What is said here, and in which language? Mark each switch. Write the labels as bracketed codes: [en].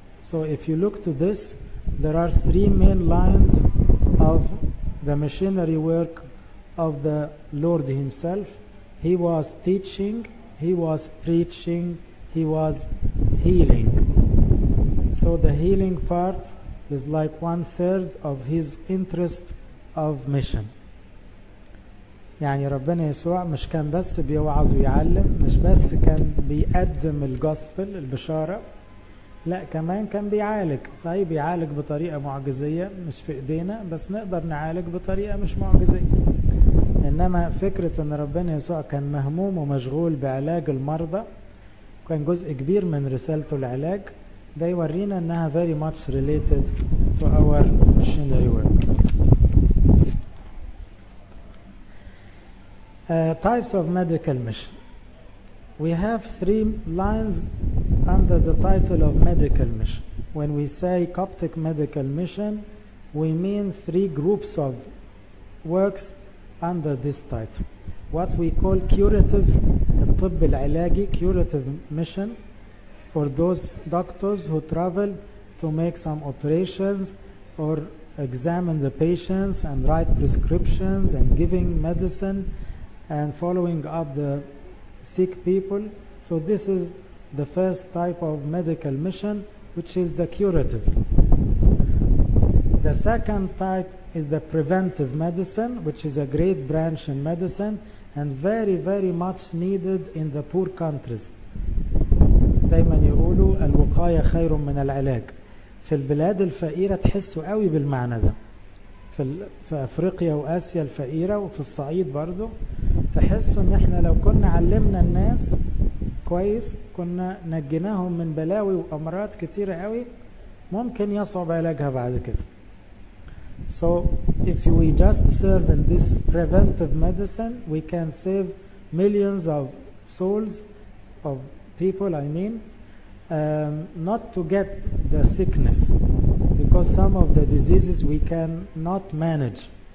[en] So if you look to this, there are three main lines of the missionary work of the Lord himself. He was teaching, he was preaching, he was healing. So the healing part is like one third of his interest of mission. [ar] يعني ربنا يسوع مش كان بس بيوعظ ويعلم، مش بس كان بيقدم الجسبل البشارة، لا كمان كان بيعالج. صحيح بيعالج بطريقة معجزية مش في ايدينا، بس نقدر نعالج بطريقة مش معجزية. انما فكرة ان ربنا يسوع كان مهموم ومشغول بعلاج المرضى كان جزء كبير من رسالته العلاج، ده يورينا انها [en] very much related to our missionary work. Types of medical mission. We have three lines under the title of medical mission. When we say Coptic medical mission, we mean three groups of works under this title. What we call curative, [ar] الطب العلاجي, [en] curative mission for those doctors who travel to make some operations or examine the patients and write prescriptions and giving medicine and following up the sick people. So this is the first type of medical mission, which is the curative. The second type is the preventive medicine, which is a great branch in medicine and very, very much needed in the poor countries. [ar] دايما يقولوا الوقاية خير من العلاج. في البلاد الفقيرة تحسوا قوي بالمعنى ده. في أفريقيا وآسيا الفقيرة وفي الصعيد برضو تحسوا ان احنا لو كنا علمنا الناس كويس كنا نجناهم من بلاوي وأمراض كتيرة قوي ممكن يصعب علاجها بعد كده. [en] So if we just serve in this preventive medicine, we can save millions of souls, of people I mean, not to get the sickness, because some of the diseases we cannot manage.